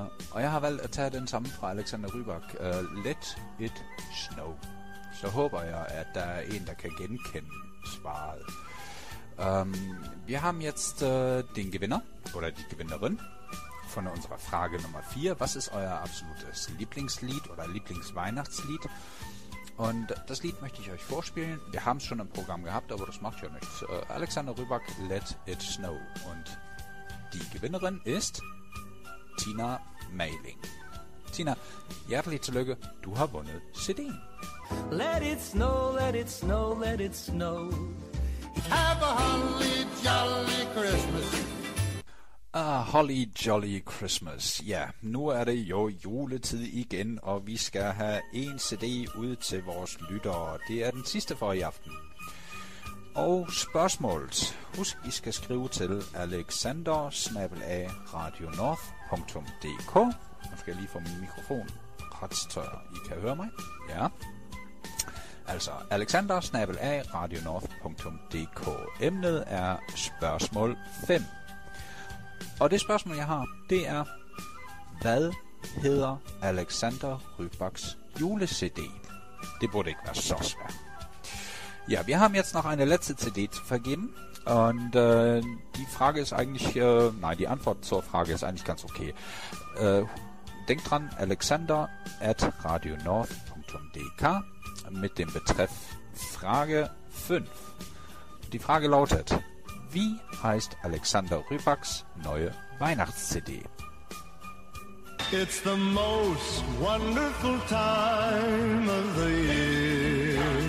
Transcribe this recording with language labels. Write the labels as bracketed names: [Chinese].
[Danish] Og jeg har valgt at tage den samme fra Alexander Rybak, Let It Snow. Så håber jeg, at der er en, der kan genkende svaret. [German] Wir haben jetzt den Gewinner oder die Gewinnerin von unserer Frage Nummer 4. Was ist euer absolutes Lieblingslied oder Lieblingsweihnachtslied? Und das Lied möchte ich euch vorspielen. Wir haben es schon im Programm gehabt, aber das macht ja nichts. Alexander Rybak, Let It Snow. Und die Gewinnerin ist Tina Mailing. Tina, herzlich zulöge, du hast gewonnen. City. [English] Let it snow, let it snow, let it snow. Have a holly jolly Christmas. A holly jolly Christmas. [Danish] Ja, nu er det jo juletid igen, og vi skal have en CD ud til vores lyttere. Det er den sidste for i aften. Og spørgsmålet. Husk, I skal skrive til alexander@radionorth.dk. Nu skal jeg lige få min mikrofon ret tør. I kan høre mig? Ja. Altså alexander@radionorth.dk. Emnet er spørgsmål 5. Og det spørgsmål, jeg har, det er, hvad hedder Alexander Rybaks jule-CD? Det burde ikke være så svært. [German] Ja, wir haben jetzt noch eine letzte CD zu vergeben. Und die Frage ist eigentlich, nein, die Antwort zur Frage ist eigentlich ganz okay. Denkt dran, alexander@radionorth.dk mit dem Betreff Frage 5. Die Frage lautet, wie heißt Alexander Rybaks neue Weihnachts-CD? [English] It's the most wonderful time of the year.